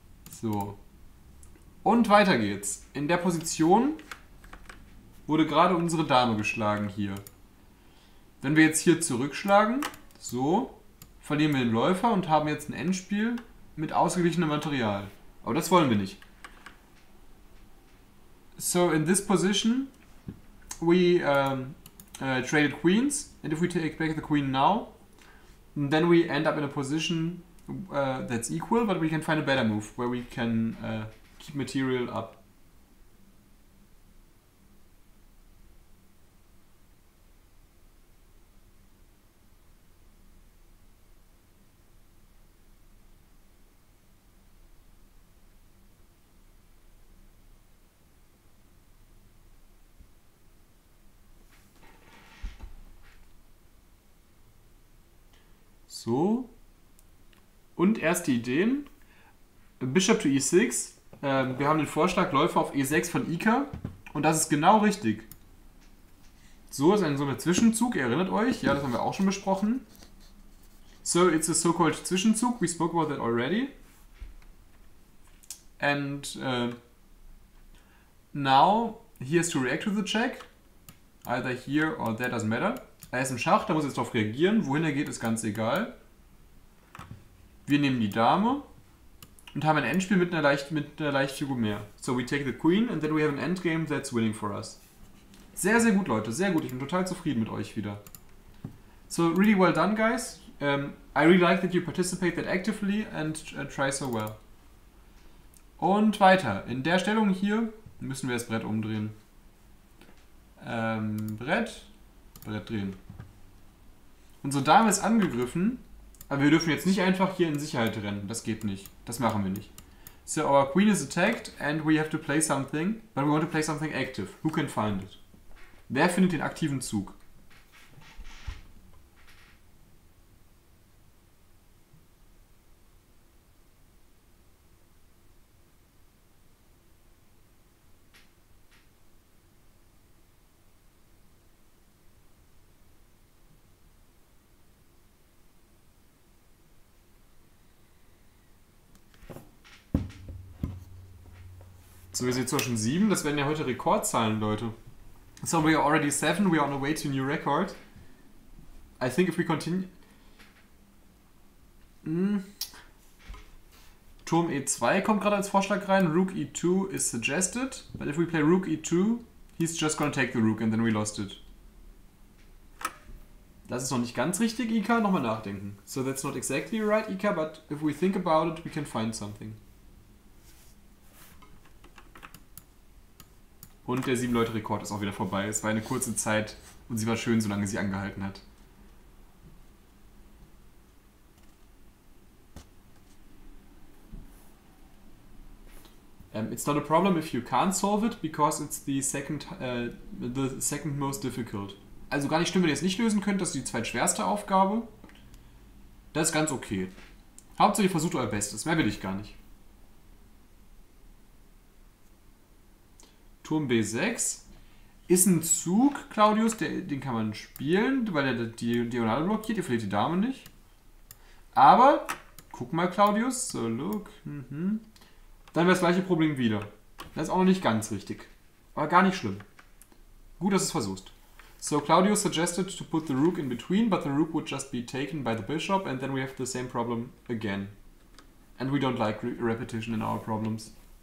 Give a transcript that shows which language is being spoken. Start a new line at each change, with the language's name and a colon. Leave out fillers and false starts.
German: So. Und weiter geht's. In der Position, wo wurde gerade unsere Dame geschlagen hier. Wenn wir jetzt hier zurückschlagen, so, verlieren wir den Läufer und haben jetzt ein Endspiel mit ausgeglichenem Material. Aber das wollen wir nicht.
English: So in this position, we traded queens, and if we take back the queen now, then we end up in a position that's equal, but we can find a better move, where we can keep material up.
German: So, und erste Ideen,
English: Bishop to e6,
German: wir haben den Vorschlag Läufer auf e6 von Ica und das ist genau richtig. So ist ein so ein Zwischenzug, ihr erinnert euch, ja das haben wir auch schon besprochen.
English: So, it's a so-called Zwischenzug, we spoke about that already. And now, he has to react to the check, either here or there, doesn't matter.
German: Er ist im Schach, da muss jetzt drauf reagieren, wohin er geht ist ganz egal. Wir nehmen die Dame und haben ein Endspiel mit einer leicht Figur mehr.
English: So we take the queen and then we have an endgame that's winning for us.
German: Sehr, sehr gut, Leute. Sehr gut. Ich bin total zufrieden mit euch wieder.
English: So really well done, guys. I really like that you participate that actively and try so well.
German: Und weiter. In der Stellung hier müssen wir das Brett umdrehen. Brett drehen. Unsere Dame ist angegriffen. Aber wir dürfen jetzt nicht einfach hier in Sicherheit rennen. Das geht nicht. Das machen wir nicht.
English: So, our queen is attacked and we have to play something. But we want to play something active. Who can find it?
German: Wer findet den aktiven Zug? So, wir sind jetzt schon 7, das werden ja heute Rekordzahlen, Leute.
English: So, we are already 7, we are on our way to a new record. I think if we continue...
German: Turm e2 kommt gerade als Vorschlag rein,
English: Rook e2 is suggested. But if we play Rook e2, he's just gonna take the Rook and then we lost it.
German: Das ist noch nicht ganz richtig, Ika, nochmal nachdenken.
English: So, that's not exactly right, Ika, but if we think about it, we can find something.
German: Und der 7-Leute-Rekord ist auch wieder vorbei. Es war eine kurze Zeit und sie war schön, solange sie angehalten hat.
English: It's not a problem if you can't solve it, because it's the second most difficult.
German: Also gar nicht schlimm, wenn ihr es nicht lösen könnt, das ist die zweitschwerste Aufgabe. Das ist ganz okay. Hauptsache ihr versucht euer Bestes, mehr will ich gar nicht. Turm B6 ist ein Zug, Claudius, den kann man spielen, weil er die Diagonale blockiert, ihr verliert die Dame nicht. Aber, guck mal, Claudius,
English: so look,
German: dann wäre das gleiche Problem wieder. Das ist auch noch nicht ganz richtig, aber gar nicht schlimm. Gut, dass du es versuchst.
English: So, Claudius suggested to put the Rook in between, but the Rook would just be taken by the Bishop and then we have the same problem again. And we don't like repetition in our problems.